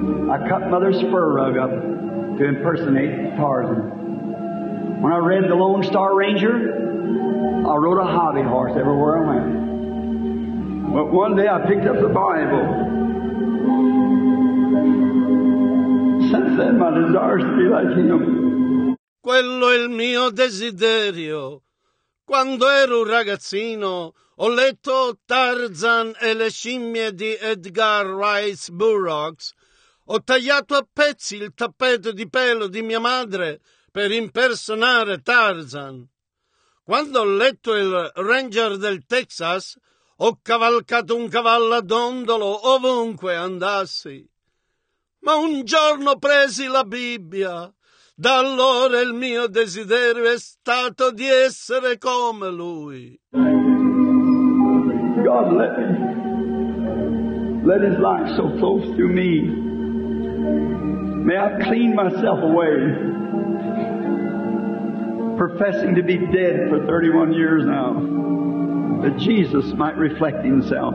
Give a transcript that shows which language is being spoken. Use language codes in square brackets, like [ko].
[en] I cut mother's fur rug up to impersonate Tarzan. When I read The Lone Star Ranger, I rode a hobby horse everywhere I went. But one day I picked up the Bible. Since then my desire is to be like him. [it] Quello è il mio desiderio. Quando ero un ragazzino, ho letto Tarzan e le scimmie di Edgar Rice Burroughs. Ho tagliato a pezzi il tappeto di pelo di mia madre per impersonare Tarzan. Quando ho letto il Ranger del Texas, ho cavalcato un cavallo a dondolo ovunque andassi. Ma un giorno presi la Bibbia. Da allora il mio desiderio è stato di essere come lui. [en] God let me. Let his light so close to me. May I clean myself away. Professing to be dead for 31 years now, that Jesus might reflect himself.